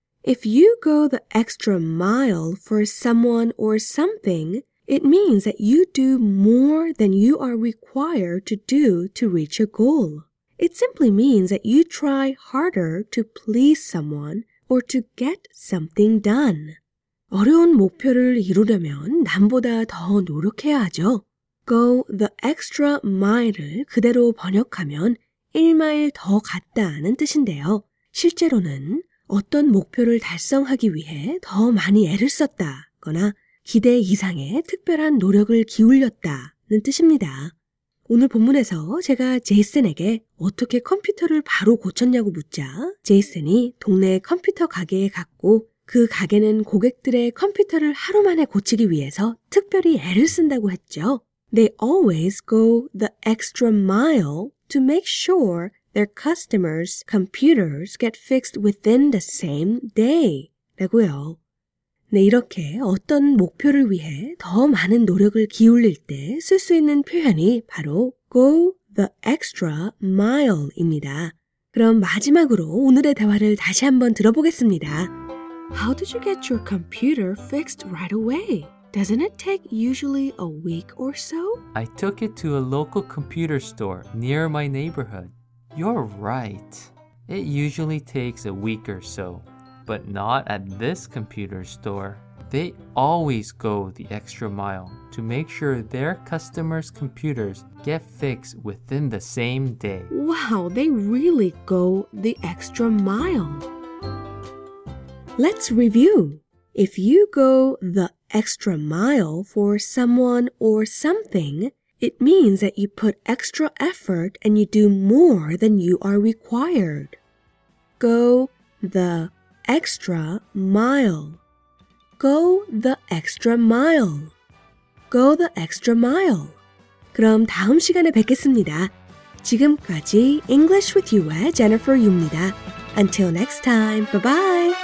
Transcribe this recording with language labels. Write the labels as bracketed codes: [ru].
[en] If you go the extra mile for someone or something, it means that you do more than you are required to do to reach a goal. It simply means that you try harder to please someone or to get something done. [ko] 어려운 목표를 이루려면 남보다 더 노력해야 하죠. [en] Go the extra mile [ko] 을 그대로 번역하면 1마일 더 갔다는 뜻인데요. 실제로는 어떤 목표를 달성하기 위해 더 많이 애를 썼다거나 기대 이상의 특별한 노력을 기울였다는 뜻입니다. 오늘 본문에서 제가 제이슨에게 어떻게 컴퓨터를 바로 고쳤냐고 묻자 제이슨이 동네 컴퓨터 가게에 갔고 그 가게는 고객들의 컴퓨터를 하루 만에 고치기 위해서 특별히 애를 쓴다고 했죠. [en] They always go the extra mile to make sure their customers' computers get fixed within the same day. [ko] 라고요. 네, 이렇게 어떤 목표를 위해 더 많은 노력을 기울일 때 쓸 수 있는 표현이 바로 [en] go the extra mile [ko] 입니다. 그럼 마지막으로 오늘의 대화를 다시 한번 들어보겠습니다. [en] How did you get your computer fixed right away? Doesn't it take usually a week or so? I took it to a local computer store near my neighborhood. You're right. It usually takes a week or so, but not at this computer store. They always go the extra mile to make sure their customers' computers get fixed within the same day. Wow, they really go the extra mile. Let's review. If you go the extra mile for someone or something, it means that you put extra effort and you do more than you are required. Go the extra mile. Go the extra mile. Go the extra mile. [ko] 그럼 다음 시간에 뵙겠습니다. 지금까지 [en] English with You의 Jennifer Yu입니다. Until next time, bye-bye!